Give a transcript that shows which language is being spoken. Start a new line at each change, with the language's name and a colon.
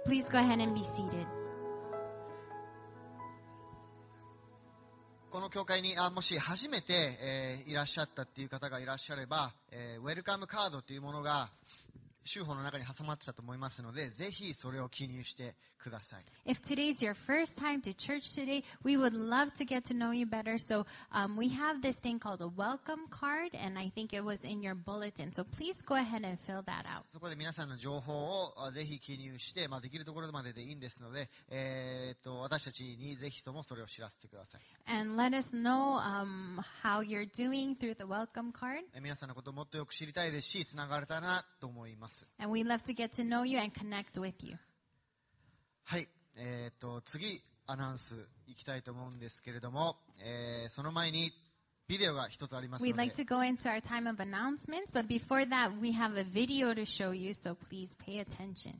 English: Please go ahead and be seated.
Japanese: この教会にもし初めて、いらっしゃったっていう方がいらっしゃれば、ウェルカムカードというものが州法の中に挟まってたと思いますので、ぜひそれを記入してください。
English: If today is your first time to church today, we would love to get to know you better. So, we have this thing called a welcome card, and I think it was in your bulletin. So please go ahead and fill that out.
Japanese: そこで皆さんの情報をぜひ記入して、まあ、できるところまででいいんですので、私たちにぜひともそれを知らせてください。
English: And let us know, how you're doing through the welcome card.
Japanese: 皆さんのことをもっとよく知りたいですし、つながれたらなと思います。
English: And we'd love to get to know you and connect with you.
Japanese: はい、次アナウンス行きたいと思うんですけれども、その前にビデオが一つありますので。
English: We'd like to go into our time of announcements, but before that, we have a video to show you, so please pay attention.